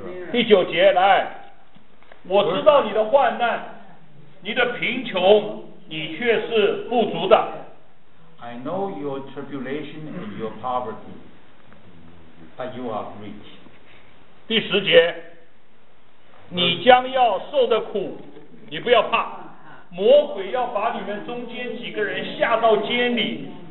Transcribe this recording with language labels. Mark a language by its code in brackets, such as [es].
[zh] 第九节, 来, 我知道你的患难, 你的贫穷, 你却是富足的。 [en] I know your tribulation and your poverty, but you are rich. [zh] 第十节, 你将要受的苦, 你不要怕, 魔鬼要把你们中间几个人下到监里。